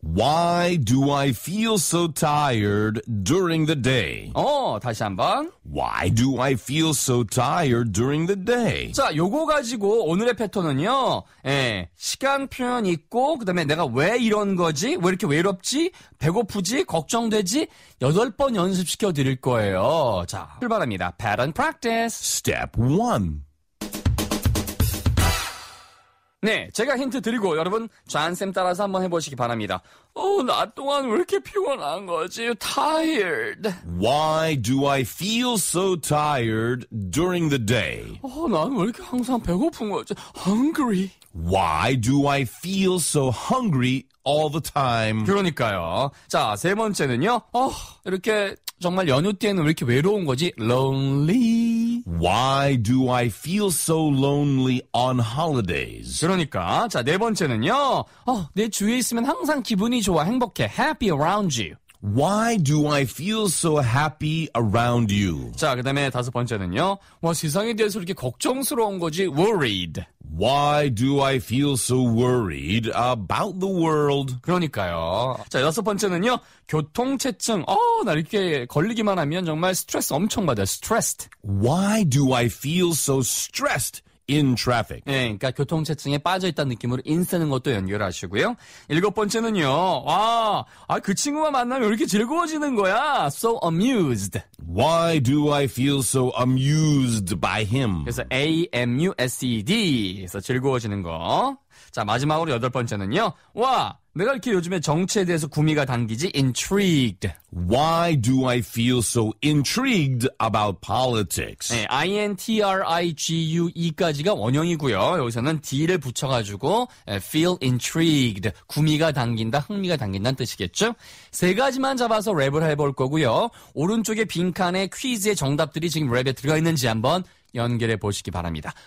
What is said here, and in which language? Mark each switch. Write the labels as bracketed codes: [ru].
[en] Why do I feel so tired during the day? [ko] 다시 한번. Why do I feel so tired during the day? 자, 요거 가지고 오늘의 패턴은요. 시간 표현 있고 그다음에 내가 왜 이런 거지? 왜 이렇게 외롭지? 배고프지? 걱정되지? 8번 연습시켜 드릴 거예요. 자, 출발합니다. [en] Pattern practice. Step 1. [ko] 네, 제가 힌트 드리고 여러분 잔쌤 따라서 한번 해보시기 바랍니다. 나 동안 왜 이렇게 피곤한 거지? [en] Tired. Why do I feel so tired during the day? [ko] 난 왜 이렇게 항상 배고픈 거지? [en] Hungry. Why do I feel so hungry all the time? [ko] 그러니까요. 자, 세 번째는요. 이렇게 정말 연휴 때는 왜 이렇게 외로운 거지? [en] Lonely. Why do I feel so lonely on holidays? [ko] 그러니까. 자, 네 번째는요. 내 주위에 있으면 항상 기분이 좋아, 행복해. [en] Happy around you. Why do I feel so happy around you? [ko] 자, 그 다음에 다섯 번째는요. 세상에 대해서 이렇게 걱정스러운 거지? [en] Worried. Why do I feel so worried about the world? [ko] 그러니까요. 자, 여섯 번째는요. 교통체증. 나 이렇게 걸리기만 하면 정말 스트레스 엄청 받아. [en] Stressed. Why do I feel so stressed in traffic? [ko] 네, 그러니까 교통체증에 빠져있다는 느낌으로 인 쓰는 것도 연결하시고요. 일곱 번째는요. 그 친구만 만나면 이렇게 즐거워지는 거야. [en] So amused. Why do I feel so amused by him? [ko] 그래서 A-M-U-S-E-D. 그래서 즐거워지는 거. 자, 마지막으로 여덟 번째는요. 내가 이렇게 요즘에 정치에 대해서 구미가 당기지? [en] Intrigued. Why do I feel so intrigued about politics? [ko] 네, I-N-T-R-I-G-U-E까지가 원형이고요. 여기서는 D를 붙여가지고 feel intrigued. 구미가 당긴다, 흥미가 당긴다는 뜻이겠죠? 세 가지만 잡아서 랩을 해볼 거고요. 오른쪽에 빈칸에 퀴즈의 정답들이 지금 랩에 들어가 있는지 한번 연결해 보시기 바랍니다.